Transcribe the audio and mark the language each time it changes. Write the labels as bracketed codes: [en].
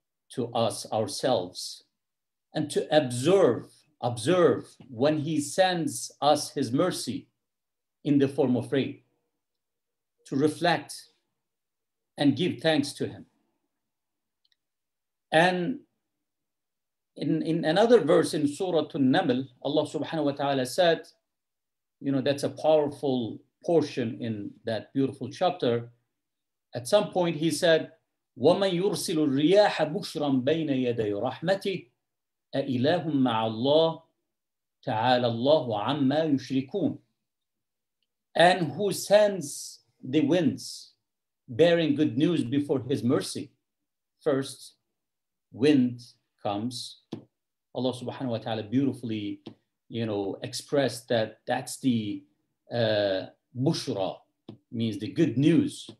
[en] to us ourselves, and to observe when he sends us his mercy in the form of rain, to reflect and give thanks to him. And in another verse in Surah An-Naml, Allah subhanahu wa ta'ala said, you know, that's a powerful portion in that beautiful chapter. At some point he said, [ar] وَمَنْ يُرْسِلُ الرِّيَاحَ بُشْرًا بَيْنَ يَدَيْ رَحْمَتِهِ أَإِلَهٌ مَعَ اللَّهِ تَعَالَى اللَّهُ عَمَّا يُشْرِكُونَ. [en] And who sends the winds bearing good news before his mercy? First, wind comes. Allah subhanahu wa ta'ala beautifully, you know, expressed that that's the bushra, means the good news.